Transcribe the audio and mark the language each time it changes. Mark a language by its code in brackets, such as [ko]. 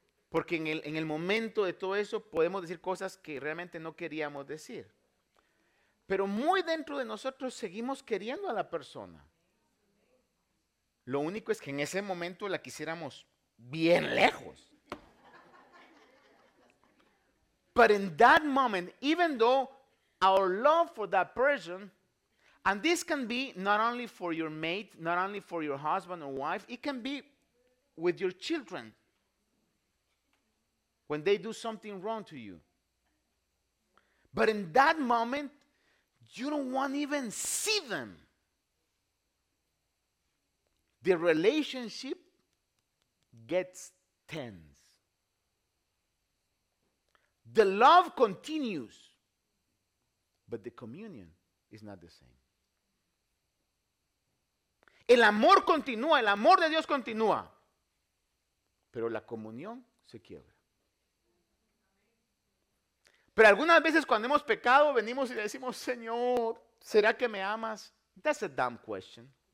[es] Porque en el momento de todo eso, podemos decir cosas que realmente no queríamos decir. Pero muy dentro de nosotros seguimos queriendo a la persona. Lo único es que en ese momento la quisiéramos bien lejos. [en] But in that moment, even though our love for that person, and this can be not only for your mate, not only for your husband or wife, it can be with your children. When they do something wrong to you. But in that moment, you don't want to even see them. The relationship gets tense. The love continues, but the communion is not the same. [es] El amor continúa, el amor de Dios continúa, pero la comunión se quiebra. Pero algunas veces cuando hemos pecado, venimos y le decimos, Señor, ¿será que me amas? [en] That's a dumb question.